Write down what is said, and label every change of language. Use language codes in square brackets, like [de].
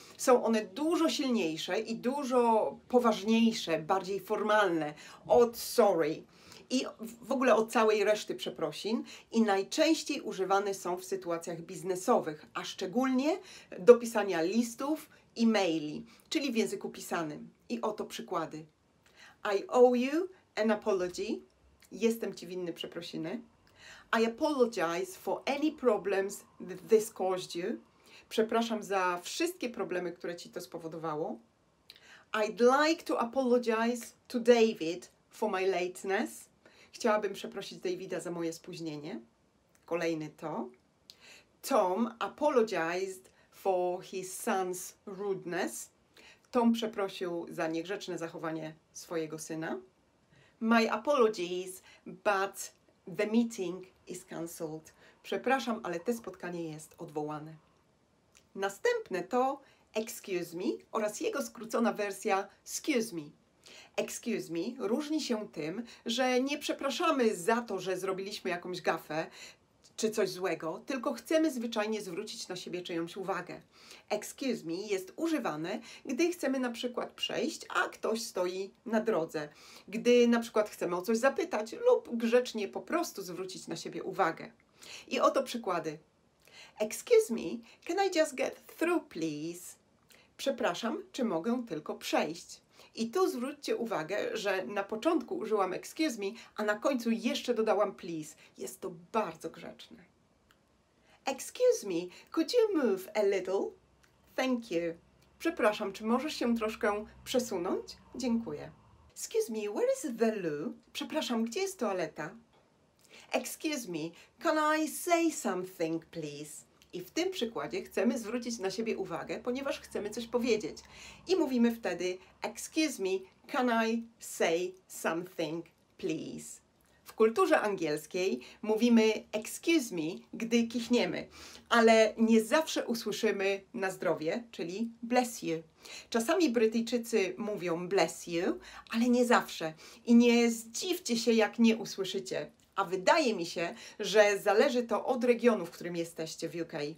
[pl] Są one dużo silniejsze i dużo poważniejsze, bardziej formalne od sorry i w ogóle od całej reszty przeprosin i najczęściej używane są w sytuacjach biznesowych, a szczególnie do pisania listów, e-maili, czyli w języku pisanym. I oto przykłady. [en] I owe you an apology. [pl] Jestem Ci winny przeprosiny. [en] I apologize for any problems that this caused you. [pl] Przepraszam za wszystkie problemy, które Ci to spowodowało. [en] I'd like to apologize to David for my lateness. [pl] Chciałabym przeprosić Davida za moje spóźnienie. Kolejny to. [en] Tom apologized for his son's rudeness. [pl] Tom przeprosił za niegrzeczne zachowanie swojego syna. [en] My apologies, but the meeting is cancelled. [pl] Przepraszam, ale to spotkanie jest odwołane. Następne to excuse me oraz jego skrócona wersja excuse me. Excuse me różni się tym, że nie przepraszamy za to, że zrobiliśmy jakąś gafę, czy coś złego, tylko chcemy zwyczajnie zwrócić na siebie czyjąś uwagę. Excuse me jest używane, gdy chcemy na przykład przejść, a ktoś stoi na drodze. Gdy na przykład chcemy o coś zapytać lub grzecznie po prostu zwrócić na siebie uwagę. I oto przykłady. [en] Excuse me, can I just get through, please? [pl] Przepraszam, czy mogę tylko przejść? I tu zwróćcie uwagę, że na początku użyłam excuse me, a na końcu jeszcze dodałam please. Jest to bardzo grzeczne. [en] Excuse me, could you move a little? Thank you. [pl] Przepraszam, czy możesz się troszkę przesunąć? Dziękuję. [en] Excuse me, where is the loo? [pl] Przepraszam, gdzie jest toaleta? [en] Excuse me, can I say something, please? [pl] I w tym przykładzie chcemy zwrócić na siebie uwagę, ponieważ chcemy coś powiedzieć. I mówimy wtedy, [en] excuse me, can I say something, please? [pl] W kulturze angielskiej mówimy excuse me, gdy kichniemy, ale nie zawsze usłyszymy na zdrowie, czyli bless you. Czasami Brytyjczycy mówią bless you, ale nie zawsze. I nie zdziwcie się, jak nie usłyszycie. A wydaje mi się, że zależy to od regionu, w którym jesteście w UK.